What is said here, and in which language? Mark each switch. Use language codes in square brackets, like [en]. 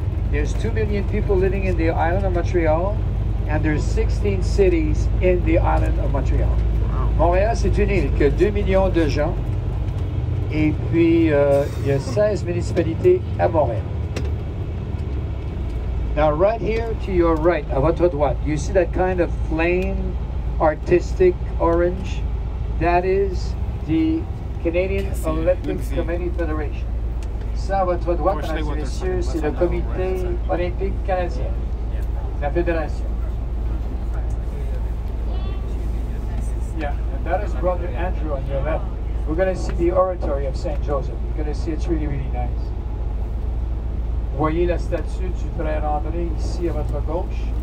[en] There's 2 million people living in the island of Montreal, and there's 16 cities in the island of Montreal. [fr] Montréal, c'est une île qui a 2 millions de gens, et puis il y a 16 municipalités à Montréal. [en] Now right here to your right, [fr] à votre droite, [en] you see that kind of flame, artistic orange? That is the Canadian Olympic Committee Federation. [fr] Ça, à votre droite, mesdames et messieurs, c'est le Comité Olympique Canadien, la Fédération. [en] Yeah, and that is Brother Andrew on your left. We're going to see the Oratory of Saint Joseph. You're going to see it's really, really nice. [fr] Voyez la statue du frère André ici à votre gauche.